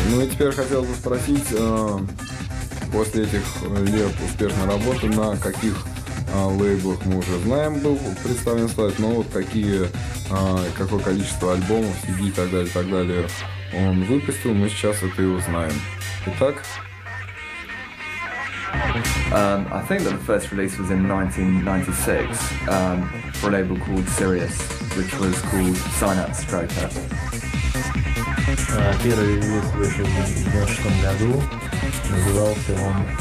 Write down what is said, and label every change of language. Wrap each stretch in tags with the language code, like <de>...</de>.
<ru>Теперь хотел бы спросить, после этих лет успешной работы, на каких лейблах мы уже знаем был представлен слайд, но вот какие, какое количество альбомов, CD и так далее он выпустил, мы сейчас это и узнаем. Итак.</ru> <en>I think that the first release was in 1996 for a label called Sirius, which was called Synapse Striker.</en> <ru>Первый релиз вышел в 1996 году, назывался он...</ru>